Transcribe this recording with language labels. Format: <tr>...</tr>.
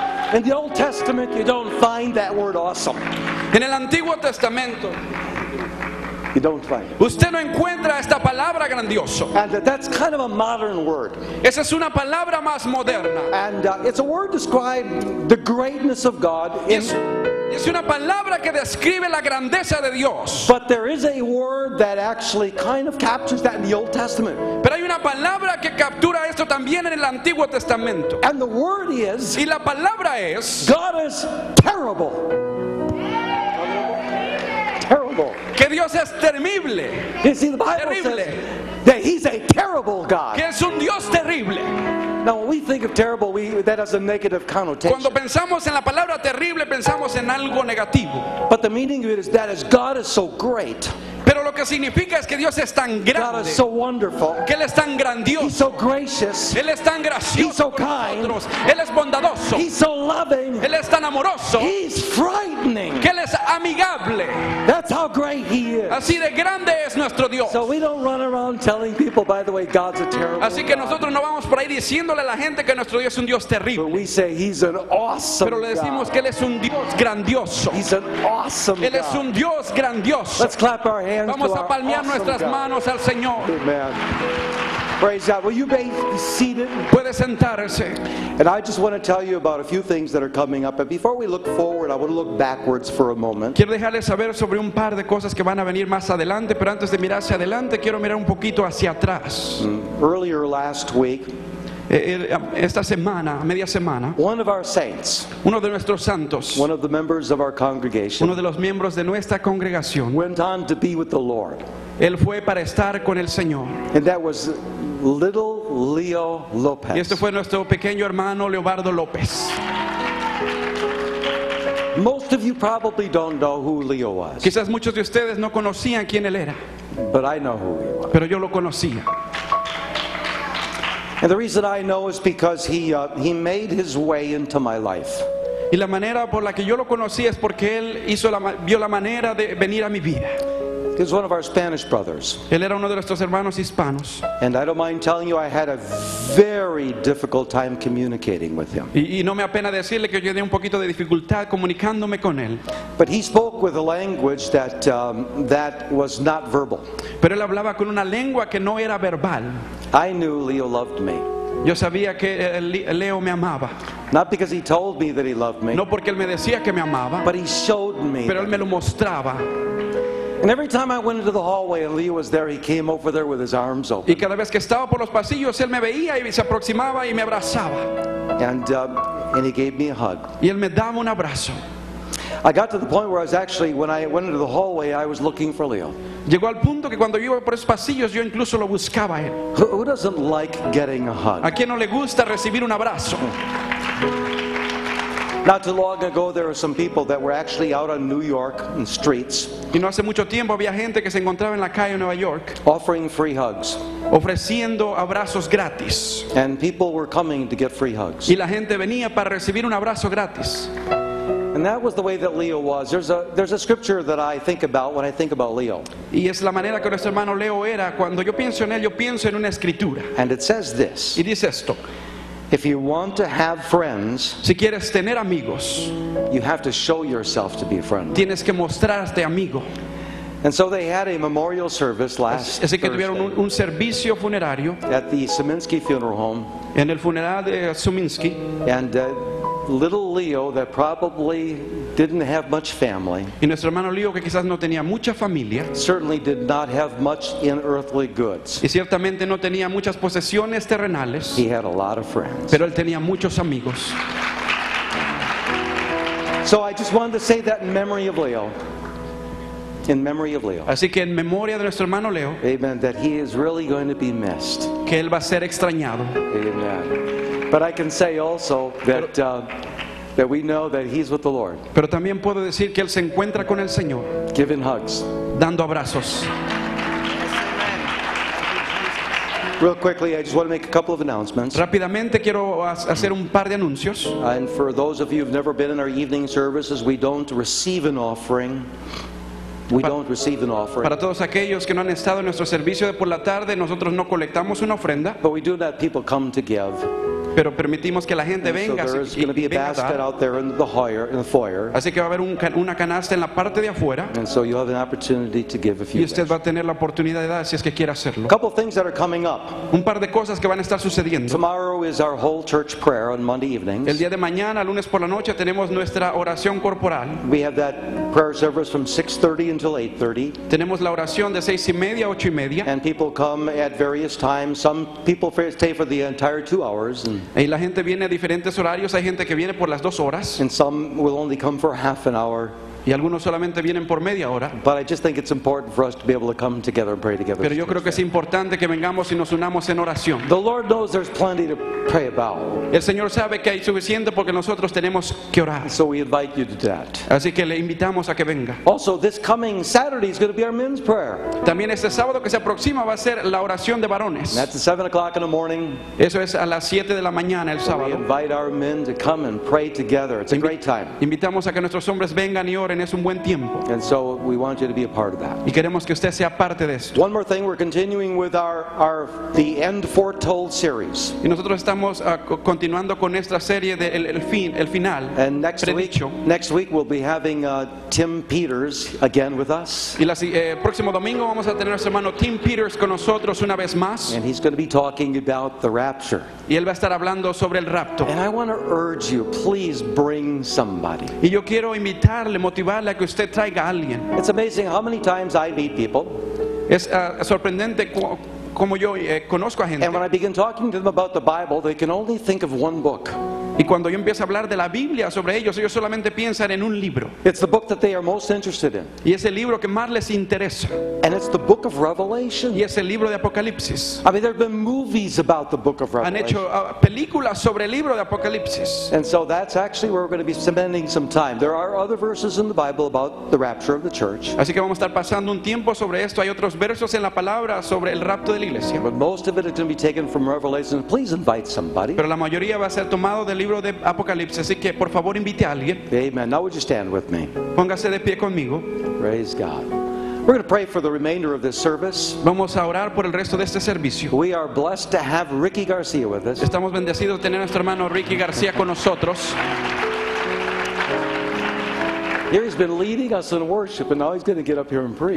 <en>In the Old Testament, you don't find that word awesome.</en> <es>En el Antiguo Testamento,</es> <en>you don't find it.</en> <es>Usted no encuentra esta palabra grandioso.</es> <en>And that's kind of a modern word.</en> <es>Esa es una palabra más moderna.</es> <en>And it's a word describing the greatness of God.</en> <es>Es una palabra que describe la grandeza de Dios.</es> <en>But there is a word that actually kind of captures that in the Old Testament.</en> <es>Pero hay una palabra que captura esto también en el Antiguo Testamento.</es> <en>And the word is,</en> <es>y la palabra es,</es> <en>God is terrible.</en> <es>Terrible. Que Dios es terrible.</es> <en>You see, the Bible</en> <es>terrible.</es> <en>Says that he's a terrible God.</en> <es>Que es un Dios terrible.</es> <en>Now, when we think of terrible, that has a negative connotation.</en> <es>Cuando pensamos en la palabra terrible, pensamos en algo negativo.</es> <en>But the meaning of it is that as God is so great.</en> <es>Pero lo que significa es que Dios es tan grande.</es> <en>God is so wonderful.</en> <es>Que él es tan grandioso.</es> <en>He's so gracious.</en> <es>Él es tan gracioso.</es> <en>He's so kind.</en> <es>Nosotros. Él es bondadoso.</es> <en>He's so loving.</en> <es>Él es tan amoroso.</es> <en>He's frightening.</en> <es>Que él es amigable.</es> <en>That's how great he is.</en> <es>Así de grande es nuestro Dios.</es> <en>So we don't run around telling people, by the way, God's a terrible.</en> <es>Así que nosotros no vamos por ahí diciéndole a la gente que nuestro Dios es un Dios terrible.</es> <en>But we say he's an awesome.</en> <es>Pero le decimos</es> <en>God.</en> <es>Que él es un Dios grandioso.</es> <en>He's an awesome.</en> <es>Él es un Dios grandioso.</es> <en>Let's clap our hands.</en> <es>Vamos a palmear nuestras manos al Señor.</es> <en>Amen. Praise God. Will you be seated?</en> <es>Puede sentarse.</es> <en>And I just want to tell you about a few things that are coming up. But before we look forward, I want to look backwards for a moment.</en> <es>Quiero dejarles saber sobre un par de cosas que van a venir más adelante. Pero antes de mirar hacia adelante, quiero mirar un poquito hacia atrás.</es> <en>Earlier last week.</en> <es>Esta semana, media semana,</es> <en>one of our saints,</en> <es>uno de nuestros santos,</es> <en>one of the members of our congregation,</en> <es>uno de los miembros de nuestra congregación,</es> <en>went on to be with the Lord.</en> <es>Él fue para estar con el Señor.</es> <en>And that was little Leo Lopez.</en> <es>Y este fue nuestro pequeño hermano Leobardo López.</es> <en>Most of you probably don't know who Leo was.</en> <es>Quizás muchos de ustedes no conocían quién él era.</es> <en>But I know who he was.</en> <es>Pero yo lo conocía.</es> <en>And the reason I know is because he made his way into my life.</en> <es>Y la manera por la que yo lo conocí es porque él hizo la vio la manera de venir a mi vida.</es> <en>He's one of our Spanish brothers.</en> <es>Él era uno de nuestros hermanos hispanos.</es> <en>And I don't mind telling you, I had a very difficult time communicating with him.</en> <es>Y no me apena decirle que yo tenía un poquito de dificultad comunicándome con él.</es> <en>But he spoke with a language that that was not verbal.</en> <es>Pero él hablaba con una lengua que no era verbal.</es> <en>I knew Leo loved me.</en> <es>Yo sabía que Leo me amaba.</es> <en>Not because he told me that he loved me.</en> <es>No porque él me decía que me amaba.</es> <en>But he showed me.</en> <es>Pero él me lo mostraba.</es> <en>And every time I went into the hallway and Leo was there, he came over there with his arms open.</en> <es>Y cada vez que estaba por los pasillos, él me veía y se aproximaba y me abrazaba.</es> <en>And he gave me a hug.</en> <es>Y él me daba un abrazo.</es> <en>I got to the point where I was actually, when I went into the hallway, I was looking for Leo.</en> <es>Llegó al punto que cuando yo iba por esos pasillos, yo incluso lo buscaba a él.</es> <en>Who doesn't like getting a hug?</en> <es>¿A quién no le gusta recibir un abrazo?</es> <en>Not too long ago, there were some people that were actually out on New York in the streets.</en> <es>Y no hace mucho tiempo había gente que se encontraba en la calle de Nueva York.</es> <en>Offering free hugs.</en> <es>Ofreciendo abrazos gratis.</es> <en>And people were coming to get free hugs.</en> <es>Y la gente venía para recibir un abrazo gratis.</es> <en>And that was the way that Leo was. There's a scripture that I think about when I think about Leo.</en> <es>Y es la manera que nuestro hermano Leo era. Cuando yo pienso en él, yo pienso en una escritura.</es> <en>And it says this.</en> <es>Y dice esto.</es> <en>If you want to have friends,</en> <es>si quieres tener amigos,</es> <en>you have to show yourself to be a friend.</en> <es>Tienes que mostrarte amigo.</es> <en>And so they had a memorial service last Thursday.</en> <es>Así que tuvieron un servicio funerario</es> <en>at the Suminski funeral home.</en> <es>En el funeral de Suminski.</es> <en>And little Leo, that probably didn't have much family,</en> <es>y nuestro hermano Leo, que quizás no tenía mucha familia,</es> <en>certainly did not have much in earthly goods.</en> <es>Y ciertamente no tenía muchas posesiones terrenales.</es> <en>He had a lot of friends.</en> <es>Pero él tenía muchos amigos.</es> <en>So I just wanted to say that in memory of Leo. In memory of Leo.</en> <es>Así que en memoria de nuestro hermano Leo.</es> <en>Amen. That he is really going to be missed.</en> <es>Que él va a ser extrañado.</es> <en>Amen. But I can say also that we know that he's with the Lord.</en> <es>Pero también puedo decir que él se encuentra con el Señor.</es> <en>Giving hugs.</en> <es>Dando abrazos.</es> <en>Real quickly, I just want to make a couple of announcements.</en> <es>Rápidamente quiero hacer un par de anuncios.</es> <en>And for those of you who've never been in our evening services, we don't receive an offering.</en> <es>Para todos aquellos que no han estado en nuestro servicio de por la tarde, nosotros no colectamos una ofrenda.</es> <en>But we do let people come to give.</en> <es>Pero permitimos que la gente venga. Así que va a haber una canasta en la parte de afuera.</es> <en>And so you'll have an opportunity to give if you</en> <es>y usted</es> <en>wish.</en> <es>Va a tener la oportunidad de dar si es que quiere hacerlo.</es> <en>Couple things that are coming up.</en> <es>Un par de cosas que van a estar sucediendo.</es> <en>Tomorrow is our whole church prayer on Monday evenings.</en> <es>El día de mañana, lunes por la noche, tenemos nuestra oración corporal.</es> <en>We have that prayer service from 6:30 until 8:30.</en> <es>Tenemos la oración de 6:30 a 8:30.</es> <en>And people come at various times. Some people stay for the entire 2 hours.</en> <es>Y la gente viene a diferentes horarios. Hay gente que viene por las 2 horas.</es> <en>And some will only come for half an hour.</en> <es>Y algunos solamente vienen por media hora.</es> <en>But I just think it's important for us to be able to come together and pray together.</en> <es>Pero yo creo que es importante que vengamos y nos unamos en oración.</es> <en>The Lord knows there's plenty to pray about.</en> <es>El Señor sabe que hay suficiente porque nosotros tenemos que orar.</es> <en>So we invite you to that.</en> <es>Así que le invitamos a que venga.</es> <en>Also, this coming Saturday is going to be our men's prayer.</en> <es>También este sábado que se aproxima va a ser la oración de varones.</es> <en>That's at 7:00 in the morning.</en> <es>Eso es a las 7 de la mañana el sábado.</es> <en>We invite our men to come and pray together. It's a great time.</en> <es>Invitamos a que nuestros hombres vengan y oren. Es un buen tiempo.</es> <en>And so we want you to be a part of that.</en> <es>Y queremos que usted sea parte de esto.</es> <en>One more thing, we're continuing with our the end foretold series.</en> <es>Y nosotros estamos continuando con nuestra serie de el final.</es> <en>And next week we'll be having Tim Peters again with us.</en> <es>Y el próximo domingo vamos a tener a nuestro hermano Tim Peters con nosotros una vez más.</es> <en>And he's going to be talking about the rapture.</en> <es>Y él va a estar hablando sobre el rapto.</es> <en>And I want to urge you, please bring somebody.</en> <es>Y yo quiero invitarle, motivarle a que usted traiga a alguien.</es> <en>It's amazing how many times I meet people.</en> <es>Es sorprendente como yo conozco a gente.</es> <en>And when I begin talking to them about the Bible, they can only think of one book.</en> <es>Y cuando yo empiezo a hablar de la Biblia sobre ellos, ellos solamente piensan en un libro.</es> <en>It's the book that they are most interested in.</en> <es>Y es el libro que más les interesa.</es> <en>And it's the book of Revelation.</en> <es>Y es el libro de Apocalipsis.</es> <en>I mean, there have been movies about the book of Revelation.</en> <es>Han hecho películas sobre el libro de Apocalipsis.</es> <en>And so that's actually where we're going to be spending some time. There are other verses in the Bible about the rapture of the church.</en> <es>Así que vamos a estar pasando un tiempo sobre esto. Hay otros versos en la palabra sobre el rapto de la iglesia.</es> <en>But most of it is going to be taken from Revelation. Please invite somebody.</en> <es>Pero la mayoría va a ser tomado del libro de Apocalipsis, así que por favor invite a alguien.</es> <en>Amen. Now would you stand with me?</en> <es>Póngase de pie conmigo.</es> <en>Praise God. We're going to pray for the remainder of this service.</en> <es>Vamos a orar por el resto de este servicio.</es> <en>We are blessed to have Ricky Garcia with us.</en> <es>Estamos bendecidos de tener a nuestro hermano Ricky García con nosotros.</es> <en>Here he's been leading us in worship, and now he's going to get up here and preach.</en>